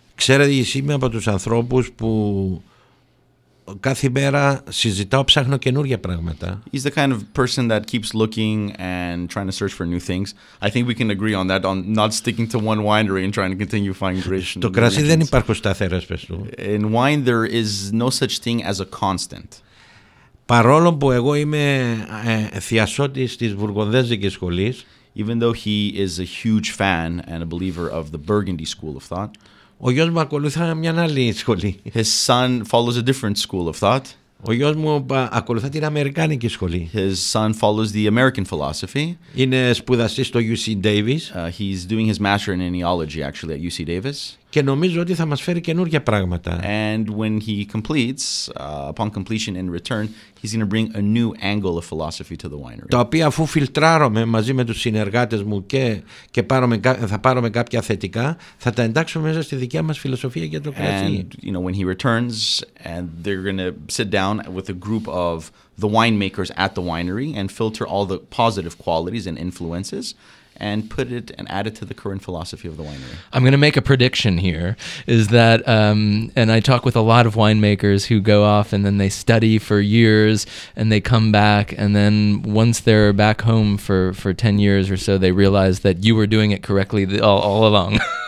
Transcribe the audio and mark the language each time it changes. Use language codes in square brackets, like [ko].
[el] Ξέρετε, είμαι από τους ανθρώπους που κάθε μέρα συζητάω, ψάχνω καινούργια πράγματα. [en] He's the kind of person that keeps looking and trying to search for new things. I think we can agree on that, on not sticking to one winery and trying to continue finding great. [el] Το κρασί δεν υπάρχουν σταθερές, πες του. [en] In wine, there is no such thing as a constant. [el] Παρόλο που εγώ είμαι θειασότης της Βουργονδέζικης σχολής, [en] even though he is a huge fan and a believer of the Burgundy school of thought, [el] ο γιος μου ακολουθά μια άλλη σχολή. [en] His son follows a different school of thought. [el] Ο γιος μου ακολουθά την Αμερικάνικη σχολή. [en] His son follows the American philosophy. [el] Είναι σπουδαστής στο UC Davis. [en] He's doing his master in enology actually at UC Davis. [el] Και νομίζω ότι θα μας φέρει καινούργια πράγματα. [en] And when he completes, upon completion and return, he's going to bring a new angle of philosophy to the winery. [el] Τα οποία αφού φιλτράρουμε μαζί με τους συνεργάτες μου και θα πάρουμε κάποια θετικά, θα τα εντάξουμε μέσα στη δικιά μας φιλοσοφία για το κρασί. [en] And, you know, when he returns, and they're going to sit down with a group of the winemakers at the winery and filter all the positive qualities and influences and put it and add it to the current philosophy of the winery? I'm going to make a prediction here, is that, and I talk with a lot of winemakers who go off and then they study for years and they come back, and then once they're back home for 10 years or so, they realize that you were doing it correctly all along.